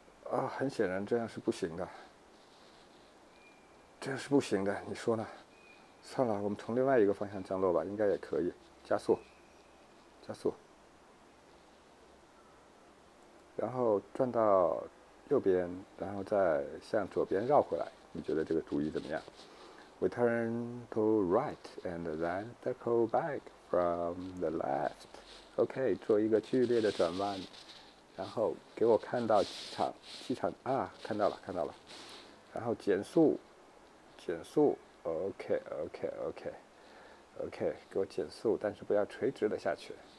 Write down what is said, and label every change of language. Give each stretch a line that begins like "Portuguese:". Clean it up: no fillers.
Chinese: 啊，很显然这样是不行的，这样是不行的，你说呢？算了，我们从另外一个方向降落吧，应该也可以。加速，加速，然后转到右边，然后再向左边绕回来。你觉得这个主意怎么样？
English: We turn to right and then circle back from the left.
Chinese: OK, 做一个剧烈的转弯，然后给我看到机场，机场啊，看到了，看到了。然后减速，减速。OK, 给我减速，但是不要垂直的下去。